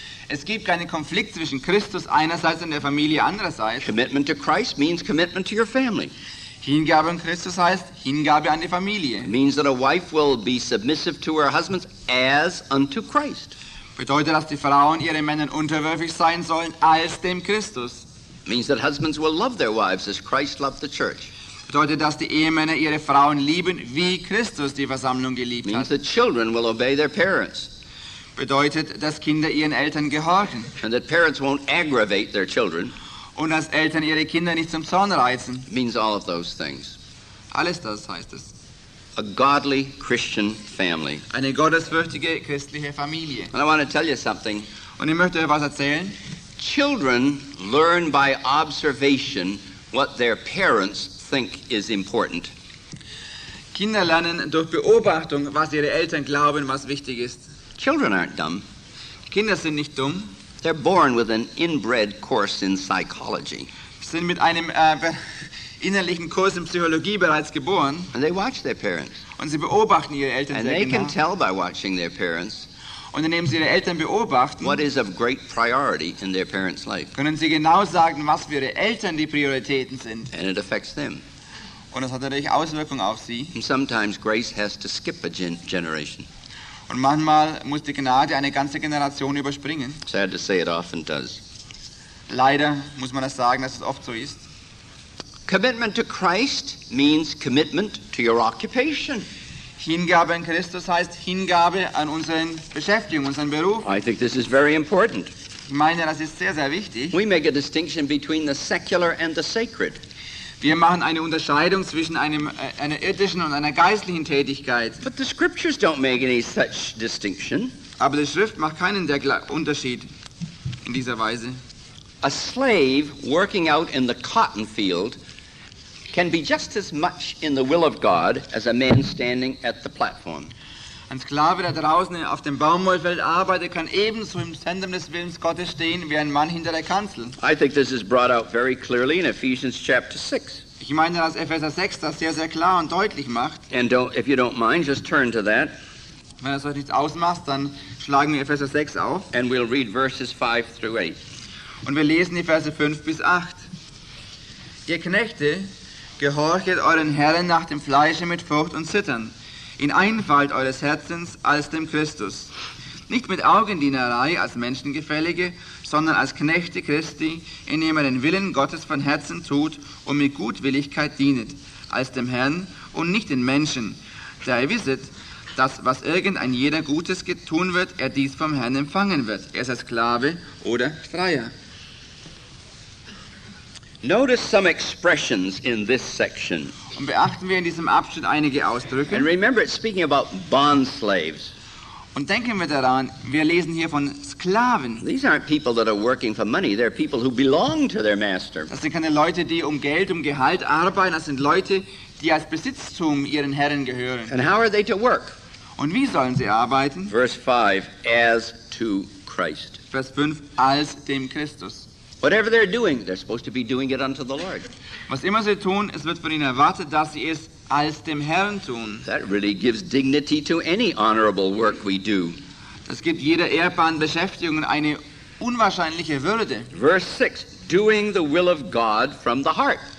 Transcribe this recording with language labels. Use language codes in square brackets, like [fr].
[de] Es gibt keinen Konflikt zwischen Christus einerseits und der Familie andererseits. [en] Commitment to Christ means commitment to your family. [de] Hingabe an Christus heißt Hingabe an die Familie. [en] It means that a wife will be submissive to her husband as unto Christ. [de] Bedeutet, dass die Frauen ihre Männer unterwürfig sein sollen als dem Christus. [en] It means that husbands will love their wives as Christ loved the church. [de] Bedeutet, dass die Ehemänner ihre Frauen lieben, wie Christus die Versammlung geliebt hat. [en] Means that children will obey their parents. [de] Bedeutet, dass Kinder ihren Eltern gehorchen. [en] And that parents won't aggravate their children. [de] Und dass Eltern ihre Kinder nicht zum Zorn reizen. [en] Means all of those things. [de] Alles das heißt es. [en] A godly Christian family. [de] Eine gottesfürchtige christliche Familie. [en] And I want to tell you something. [de] Und ich möchte euch was erzählen. [en] Children learn by observation what their parents think is important. [de] Kinder lernen durch Beobachtung, was ihre Eltern glauben, was wichtig ist. [en] Children aren't dumb. [de] Kinder sind nicht dumm. [en] They're born with an inbred course in psychology. [de] Sind mit einem innerlichen Kurs in Psychologie bereits geboren. [en] And they watch their parents. [de] Und sie beobachten ihre Eltern sehr genau. [en] And they can tell by watching their parents. [de] Und indem sie ihre Eltern beobachten, [en] what is of great priority in their parents' life. [de] Können sie genau sagen, was für ihre Eltern die Prioritäten sind. [en] And it affects them. [de] Und das hat natürlich Auswirkungen auf sie. [en] And sometimes grace has to skip a generation. [de] Und manchmal muss die Gnade eine ganze Generation überspringen. [en] Sad to say, it often does. [de] Leider muss man das sagen, dass es oft so ist. [en] Commitment to Christ means commitment to your occupation. [de] Hingabe an Christus heißt Hingabe an unseren Beschäftigung, unseren Beruf. [en] I think this is very important. [de] Ich meine, das ist sehr, sehr wichtig. [en] We make a distinction between the secular and the sacred. [de] Wir machen eine Unterscheidung zwischen einer irdischen und einer geistlichen Tätigkeit. [en] But the scriptures don't make any such distinction. [de] Aber die Schrift macht keinen Unterschied in dieser Weise. [en] A slave working out in the cotton field can be just as much in the will of God as a man standing at the platform. [de] Ein Sklave, der draußen auf dem Baumwollfeld arbeitet, kann ebenso im Zentrum des Willens Gottes stehen wie ein Mann hinter der Kanzel. [en] I think this is brought out very clearly in Ephesians chapter 6. [de] Ich meine, dass Epheser 6 das sehr, sehr klar und deutlich macht. [en] And don't, if you don't mind, just turn to that. [de] Wenn es euch nichts ausmacht, dann schlagen wir Epheser 6 auf. [en] And we'll read verses 5 through 8. [de] Und wir lesen die Verse 5 bis 8. Ihr Knechte, gehorchet euren Herren nach dem Fleische mit Furcht und Zittern. In Einfalt eures Herzens als dem Christus. Nicht mit Augendienerei als Menschengefällige, sondern als Knechte Christi, indem ihr den Willen Gottes von Herzen tut und mit Gutwilligkeit dienet, als dem Herrn und nicht den Menschen. Da ihr wisset, dass was irgendein jeder Gutes tun wird, er dies vom Herrn empfangen wird, er sei Sklave oder Freier. [en] Notice some expressions in this section. [de] Und beachten wir in diesem Abschnitt einige Ausdrücke. [en] And remember, it's speaking about bond slaves. [de] Und denken wir daran, wir lesen hier von Sklaven. [en] These aren't people that are working for money. They're people who belong to their master. [de] Das sind keine Leute, die um Geld, um Gehalt arbeiten. Das sind Leute, die als Besitztum ihren Herren gehören. [en] And how are they to work? [de] Und wie sollen sie arbeiten? [en] Verse 5, as to Christ. [de] Vers 5, als dem Christus. [en] Whatever they're doing, they're supposed to be doing it unto the Lord. [de] Was immer sie tun, es wird von ihnen erwartet, dass sie es als dem Herrn tun. [en] That really gives dignity to any honorable work we do. [de] Das gibt jeder ehrbaren Beschäftigung eine unwahrscheinliche Würde. [en] Verse 6, doing the will of God from the heart.